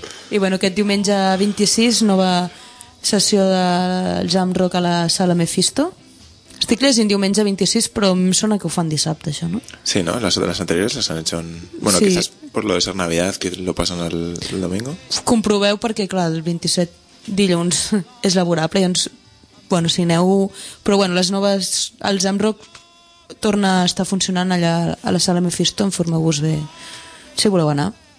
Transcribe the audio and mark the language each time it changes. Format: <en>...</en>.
<ca>I bueno, aquest diumenge 26, nova sessió del Jam Rock a la sala Mephisto. Estic llegint diumenge 26, però em sona que ho fan dissabte, això, no?</ca> <es>Sí, no? Les anteriores les han hecho un... Bueno, sí. Quizás por lo de ser Navidad, que lo pasan el domingo.</es> <ca>Comproveu, perquè clar, el 27 dilluns és laborable, llavors, bueno, si aneu... Però bueno, les noves... El Jam Rock torna a estar funcionant allà a la sala Mephisto, en forma gust bé, si voleu anar.</ca>